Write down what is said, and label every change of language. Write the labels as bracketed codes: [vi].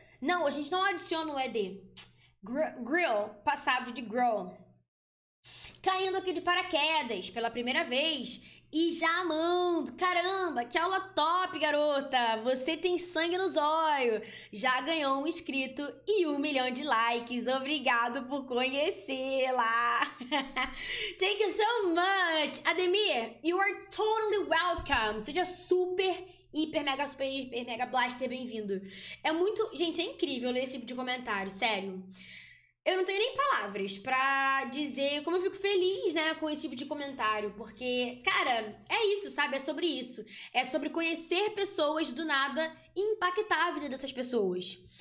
[pt] Não, a gente não adiciona o ed. Grill, passado de grow. Caindo aqui de paraquedas pela primeira vez e já amando. Caramba, que aula top, garota. Você tem sangue nos olhos. Já ganhou um inscrito e 1 milhão de likes. Obrigado por conhecê-la. [en] Thank you so much. Ademir, you are totally welcome. [pt] Seja super Hiper, mega, super, hiper, mega, blaster, bem-vindo. É muito. Gente, é incrível ler esse tipo de comentário, sério. Eu não tenho nem palavras pra dizer como eu fico feliz, né, com esse tipo de comentário, porque, cara, é isso, sabe? É sobre isso. É sobre conhecer pessoas do nada e impactar a vida dessas pessoas.